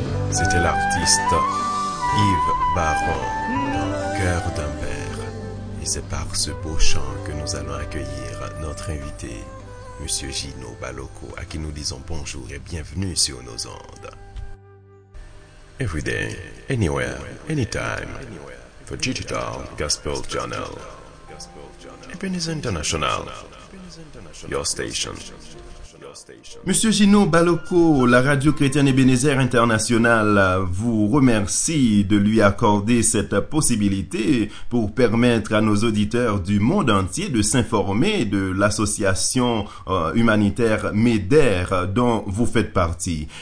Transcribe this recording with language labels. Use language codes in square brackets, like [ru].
[fr] C'était l'artiste Yves Baron, dans le cœur d'un père. Et c'est par ce beau chant que nous allons accueillir notre invité, Monsieur Gino Baloko, à qui nous disons bonjour et bienvenue sur nos ondes. [en] Every day, anywhere, anytime, the Digital Gospel Journal, Ebenezer International, your station. [fr] Monsieur Gino Baloko, la radio chrétienne Ebenezer International vous remercie de lui accorder cette possibilité pour permettre à nos auditeurs du monde entier de s'informer de l'association humanitaire MEDER dont vous faites partie.